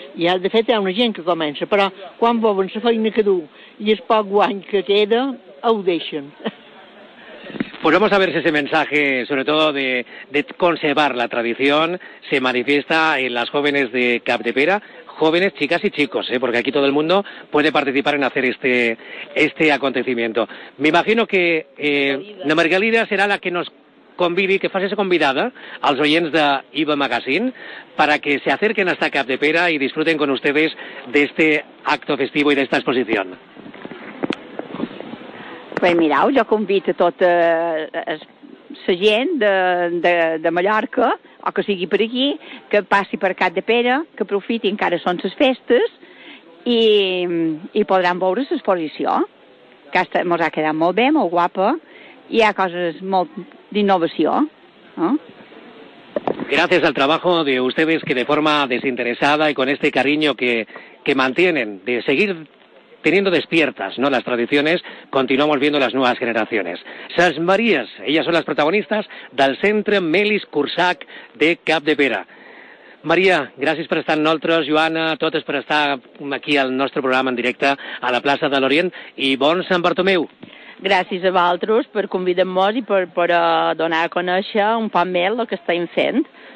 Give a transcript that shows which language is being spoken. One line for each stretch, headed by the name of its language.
Catalan: I de fet hi ha una gent que comença, però quan volen la feina que dur i el poc guany que queda, ho deixen.
Spanish: Pues vamos a ver si ese mensaje, sobre todo de conservar la tradición, se manifiesta en las jóvenes de Capdepera, jóvenes, chicas y chicos, ¿eh? Porque aquí todo el mundo puede participar en hacer este acontecimiento. Me imagino que la Margalida será la que nos convide y que fase esa convidada a los oyentes de IBA Magazine para que se acerquen hasta Capdepera y disfruten con ustedes de este acto festivo y de esta exposición.
Catalan: Bé, mirau, jo convido tota la gent de Mallorca, o que sigui per aquí, que passi per Capdepera, que aprofiti, encara són les festes, i podran veure l'exposició, que ens ha quedat molt bé, molt guapa, i hi ha coses molt d'innovació. No?
Spanish: Gracias al trabajo de ustedes, que de forma desinteresada y con este cariño que mantienen, de seguir teniendo despiertas, ¿no?, las tradiciones, continuamos viendo las nuevas generaciones. Ses Maries, ellas son las protagonistas del Centre Melis Cursac de Capdepera. María, gracias por estar nosotros, Joana, todos por estar aquí al nuestro programa
Catalan: en directe a la plaça de l'Orient, i bon Sant Bartomeu. Gràcies a vosaltres per convidar-nos i per donar a conèixer un poc més el que estem fent.